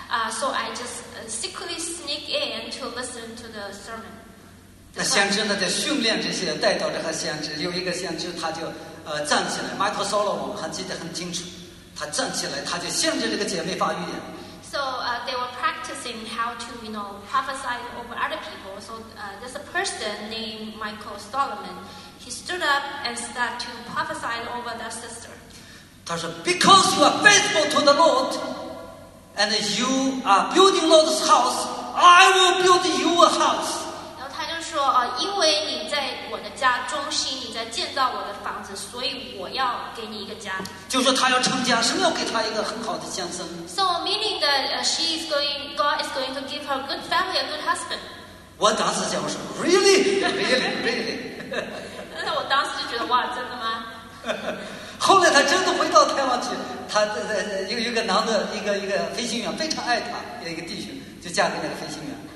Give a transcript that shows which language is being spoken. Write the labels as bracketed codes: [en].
[en] So I just secretly sneak in to listen to the sermon. [zh] 那先知呢，在训练这些带到这个先知，有一个先知他就站起来 ，Michael Solomon 还记得很清楚，他站起来，他就限制这个姐妹发预言。 [en] So they were practicing how to, you know, prophesy over other people. So there's a person named Michael Solomon. He stood up and started to prophesy over that sister. [zh] 他说 [en] ，Because you are faithful to the Lord, and you are building Lord's house, I will build your house. [zh] 然后他就说因为你在我的家中心，你在建造我的房子，所以我要给你一个家。就说他要成家，神要给他一个很好的先生。 [en] So meaning that she is going, God is going to give her a good family, a good husband. [zh] 我当时想说 ， [en] Really, really, really. [zh] 但是我当时就觉得哇，真的吗？后来他真的回到台湾去，他一个男的，一个飞行员非常爱他，一个弟兄就嫁给那个飞行员。